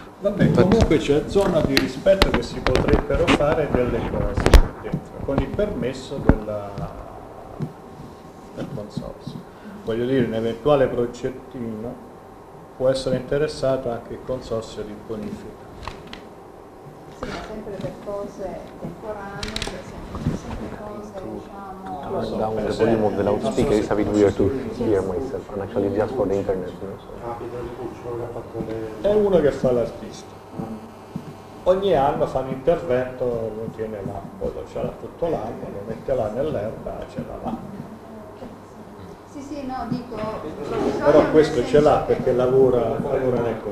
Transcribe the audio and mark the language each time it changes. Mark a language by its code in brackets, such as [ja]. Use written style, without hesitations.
[it] Vabbè, comunque c'è zona di rispetto che si potrebbero fare delle cose dentro, con il permesso del consorzio. Voglio dire, un eventuale progettino può essere interessato anche il consorzio di bonifica. Sì, ma sempre per cose temporanee, per [en] down the volume of the loudspeaker is a bit weird to hear myself, and actually just for the internet. You know, [it] so. È uno che fa l'artista. Ogni anno fa un intervento, lo tiene là, lo ce l'ha tutto l'anno, lo mette là nell'erba, ce l'ha là. Sì, sì, no, dico... Però questo ce l'ha perché lavora nel consiglio.